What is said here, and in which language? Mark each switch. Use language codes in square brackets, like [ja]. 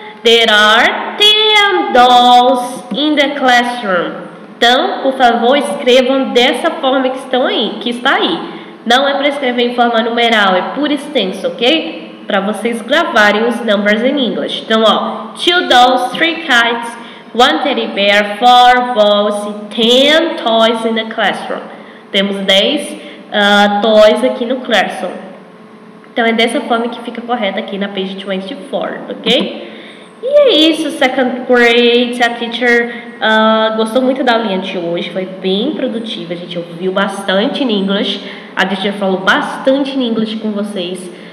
[en] There are 10 dolls in the classroom. [pt] Então, por favor, escrevam dessa forma que está aí. Não é para escrever em forma numeral, é por extenso, ok? Para vocês gravarem os numbers in English. Então, ó, [en] two dolls, three kites, one teddy bear, four balls, 10 toys in the classroom. [pt] Temos 10 toys aqui no classroom. Então, é dessa forma que fica correta aqui na page 24, ok? E é isso, second grade. A teacher gostou muito da aulinha de hoje, foi bem produtiva. A gente ouviu bastante in English. A teacher falou bastante in English com vocês.